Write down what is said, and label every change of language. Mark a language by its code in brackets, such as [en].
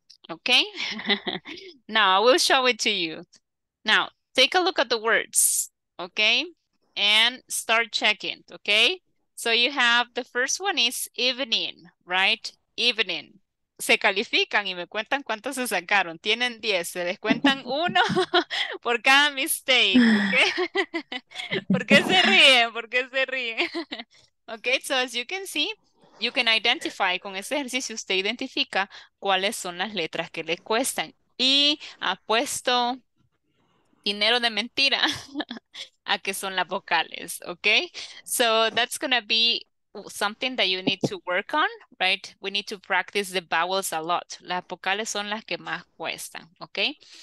[en] Okay, now I will show it to you. Now, take a look at the words, okay? And start checking, okay? So you have, the first one is evening, right? Evening. [es] Se califican y me cuentan cuántos se sacaron. Tienen 10, se les cuentan uno por cada mistake, okay? ¿Por qué se ríen? ¿Por qué se ríen? [en] Okay, so as you can see, you can identify, [es] con ese ejercicio usted identifica cuáles son las letras que le cuestan. Y apuesto dinero de mentira a que son las vocales, okay? [en] So that's gonna be something that you need to work on, right? We need to practice the vowels a lot. [es] Las vocales son las que más cuestan, okay?